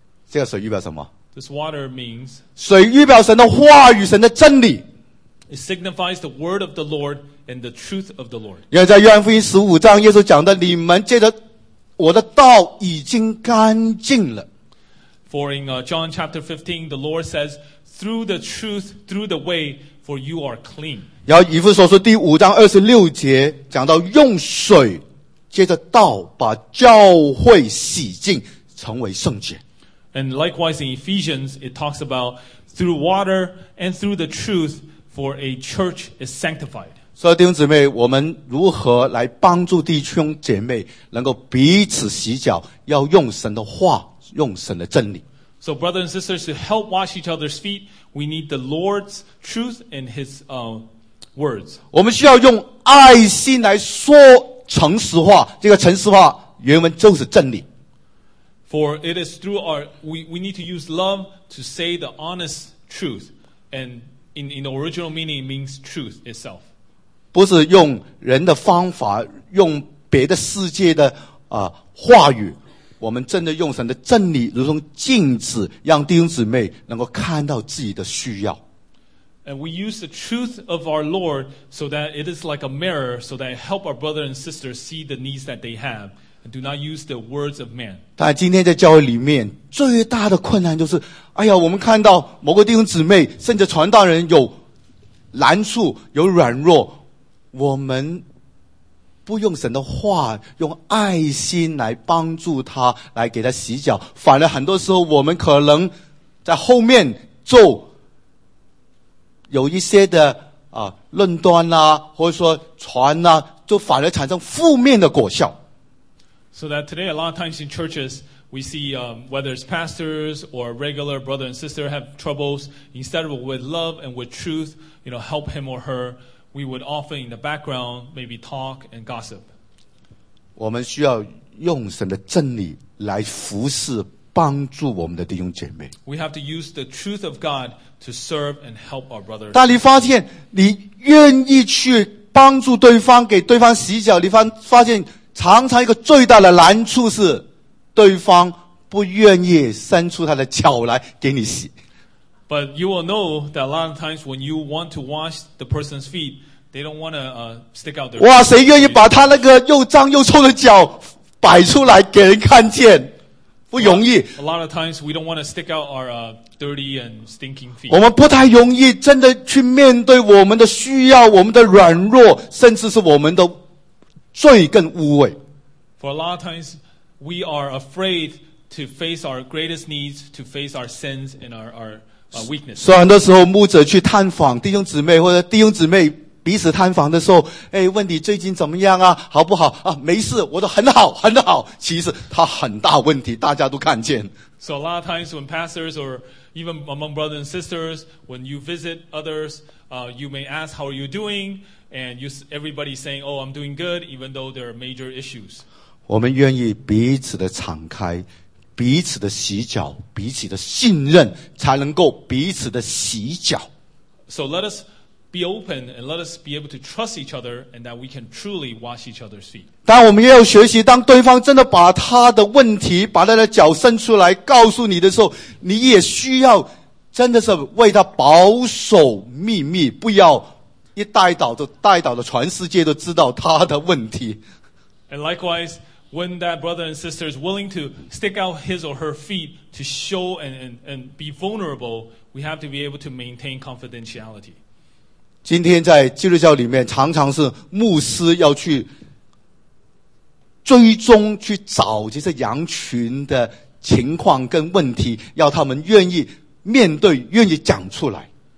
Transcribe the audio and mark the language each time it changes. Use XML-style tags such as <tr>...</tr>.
<zh>这个水预表什么？</zh> <en>This water means.</en> <zh>水预表神的话语，神的真理。</zh> <en>It signifies the word of the Lord and the truth of the Lord.</en> <zh>因为在约翰福音十五章，耶稣讲的，你们借着我的道已经干净了。</zh> <en>For in John chapter 15, the Lord says, through the truth, through the way, for you are clean.</en> <zh>然后以弗所书第五章二十六节讲到用水接着道把教会洗净成为圣洁。</zh> <en>And likewise in Ephesians, it talks about through water and through the truth for a church is sanctified.</en> <zh>所以弟兄姊妹，我们如何来帮助弟兄姐妹能够彼此洗脚，要用神的话，用神的真理。</zh> <en>So brothers and sisters, to help wash each other's feet, we need the Lord's truth and his words.</en> <zh>我们需要用爱心来说诚实话，这个诚实话原文就是真理。</zh> <en>For it is through our we need to use love to say the honest truth, and in the original meaning it means truth itself.</en> <zh>不是用人的方法，用别的世界的话语，我们真的用神的真理，如同镜子，让弟兄姊妹能够看到自己的需要。</zh> <en>And we use the truth of our Lord so that it is like a mirror, so that it help our brother and sister see the needs that they have, and do not use the words of man.</en> <zh>但今天在教会里面最大的困难就是，哎呀，我们看到某个弟兄姊妹甚至传道人有难处、有软弱，我们不用神的话，用爱心来帮助他，来给他洗脚，反而很多时候我们可能在后面做。有一些的论断啦、或者说传啦、就反而产生负面的果效。</zh> <en>So that today a lot of times in churches we see whether it's pastors or regular brother and sister have troubles, instead of with love and with truth, you know, help him or her, we would often in the background maybe talk and gossip.</en> <zh>我们需要用神的真理来服侍帮助我们的弟兄姐妹。</zh> <en>We have to use the truth of God to serve and help our brothers.</en> <zh>当你发现你愿意去帮助对方，给对方洗脚，你发现常常一个最大的难处是对方不愿意伸出他的脚来给你洗。</zh> <en>But you will know that a lot of times when you want to wash the person's feet, they don't want to stick out their.</en> <zh>哇，谁愿意把他那个又脏又臭的脚摆出来给人看见？不容易。</zh> <en>A lot of times we don't want to stick out our dirty and stinking feet.</en> <zh>我们不太容易真的去面对我们的需要、我们的软弱，甚至是我们的罪跟污秽。</zh> <en>For a lot of times we are afraid to face our greatest needs, to face our sins and our weakness.</en> <zh>所以很多时候牧者去探访弟兄姊妹，或者弟兄姊妹彼此探访的时候，哎，问你最近怎么样啊，好不好啊，没事，我都很好很好，其实他很大问题，大家都看见。</zh> <en>So a lot of times when pastors or even among brothers and sisters, when you visit others, you may ask how are you doing, and everybody's saying, oh, I'm doing good, even though there are major issues.</en> <zh>我们愿意彼此的敞开，彼此的洗脚，彼此的信任，才能够彼此的洗脚。</zh> <en>So let us be open and let us be able to trust each other and that we can truly wash each other's feet.</en> <zh>但我们也要学习，当对方真的把他的问题，把他的脚伸出来告诉你的时候，你也需要真的是为他保守秘密，不要一带倒就带倒了全世界都知道他的问题。</zh> <en>And likewise, when that brother and sister is willing to stick out his or her feet to show and be vulnerable, we have to be able to maintain confidentiality.</en> <zh>今天在基督教里面常常是牧师要去追踪去找这些羊群的情况跟问题，要他们愿意面对，愿意讲出来。</zh>